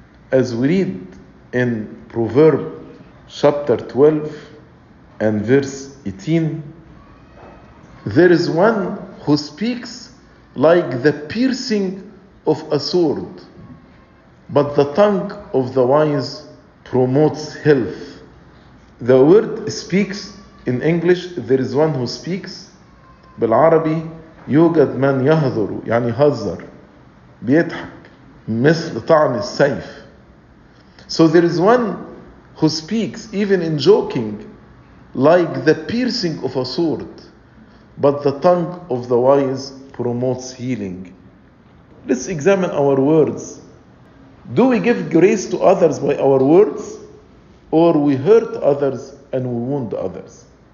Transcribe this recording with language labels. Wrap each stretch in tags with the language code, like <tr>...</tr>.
<en>As we read in Proverbs chapter 12 and verse 18, "There is one who speaks like the piercing of a sword, but the tongue of the wise promotes health." The word speaks in English, "There is one who speaks."</en> <ar>بالعربي يوجد من يهذر يعني هزر بيضحك مثل طعن السيف.</ar> <en>So there is one who speaks, even in joking, like the piercing of a sword, but the tongue of the wise promotes healing. Let's examine our words. Do we give grace to others by our words, or we hurt others and we wound others?</en>